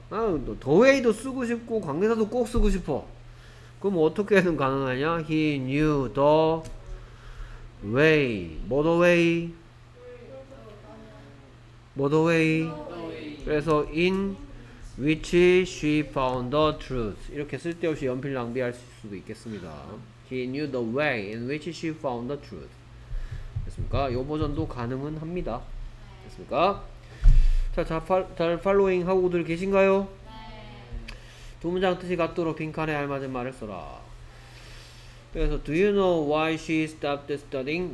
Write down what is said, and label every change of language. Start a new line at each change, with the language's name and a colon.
Korean: 나는 더웨이도 쓰고 싶고 관계사도 꼭 쓰고 싶어. 그럼 어떻게든 가능하냐?
English: He knew the way. 뭐 the way? 뭐 the way? 그래서 in which she found the truth.
Korean: 이렇게 쓸데없이 연필 낭비할 수도 있겠습니다.
English: He knew the way in which she found the truth.
Korean: 됐습니까? 이 버전도 가능은 합니다. 됐습니까? 자, 잘 팔로잉 하고들 계신가요? 두 문장 뜻이 같도록 빈칸에 알맞은 말을 써라.
English: 그래서 Do you know why she stopped studying?